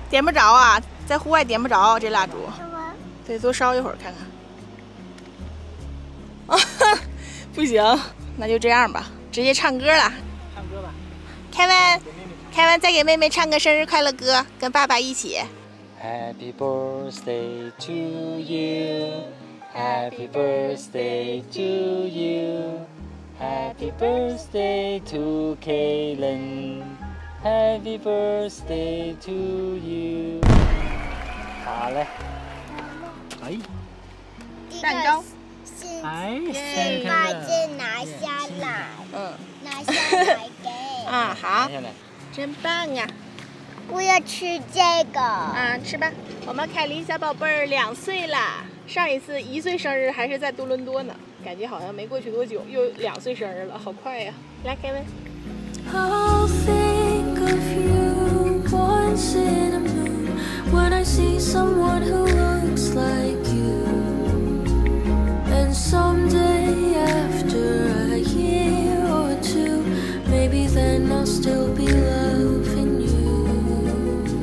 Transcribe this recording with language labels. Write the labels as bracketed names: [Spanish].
[Chinese] 点不着啊，在户外点不着这蜡烛，得多烧一会儿看看。不行，那就这样吧，直接唱歌了。唱歌吧，Kevin，Kevin 再给妹妹唱个生日快乐歌，跟爸爸一起。 [English] Happy birthday to you, Happy birthday to you, Happy birthday to Kaylin, Happy birthday to you。 [Chinese] 好嘞，哎，蛋糕，哎，生日快乐，拿下来，嗯，拿下来给，啊，好，拿下来，真棒啊。我要吃这个啊，吃吧。我们凯琳小宝贝儿两岁了，上一次一岁生日还是在多伦多呢，感觉好像没过去多久又两岁生日了，好快呀、啊！来，凯文。 [English] I'll think of you once in a moon when I see someone who looks like you and someday after a year or two maybe then I'll still be loving you。